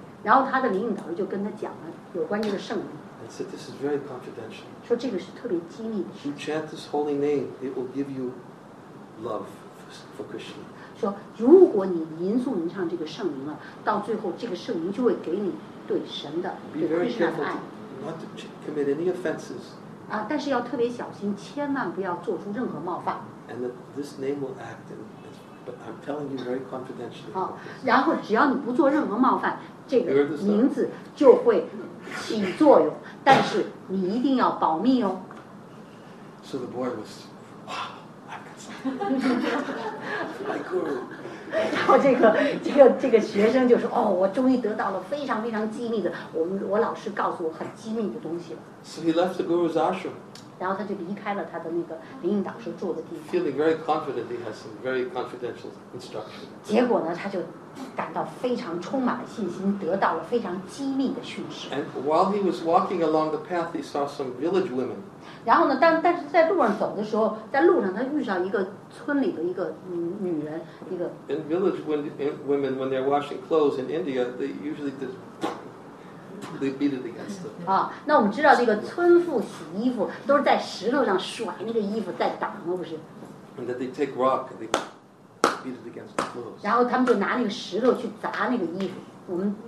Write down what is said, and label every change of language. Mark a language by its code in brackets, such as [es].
[zh] 然后他的林林老师就跟他讲了有关这个圣名。 [en] And said, "This is very confidential." [zh] 说这个是特别机密的。 [en] You chant this holy name; it will give you love for Krishna. [zh] 说如果你吟诵吟唱这个圣名了，到最后这个圣名就会给你对神的对 Krishna 的爱。 [en] Not to commit any offenses. [zh] 但是要特别小心，千万不要做出任何冒犯。 [en] And that this name will act, but I'm telling you very confidentially. [zh] 好，然后只要你不做任何冒犯，这个名字就会。起作用，但是你一定要保密哦。 [en] So the boy was, wow, my guru. [zh] 然后这个学生就说，哦，我终于得到了非常非常机密的，我老师告诉我很机密的东西了。 [en] So he left the guru's ashram. [zh] 然后他就离开了他的那个灵隐导师住的地方。 [en] Feeling very confident, he has some very confidential instruction. [zh] 结果呢，他就。感到非常充满了信心，得到了非常机密的讯息。 [en] And while he was walking along the path, he saw some village women. [zh] 然后呢，但是在路上走的时候，在路上他遇上一个村里的一个女人，一个。 [en] In village women, when they're washing clothes in India, they usually just they beat it against them. [zh] 那我们知道这个村妇洗衣服都是在石头上甩那个衣服再挡，不是 [en] ？And that they take rock. They... Beat it against the clothes. [zh] 然后他们就拿那个石头去砸那个衣服。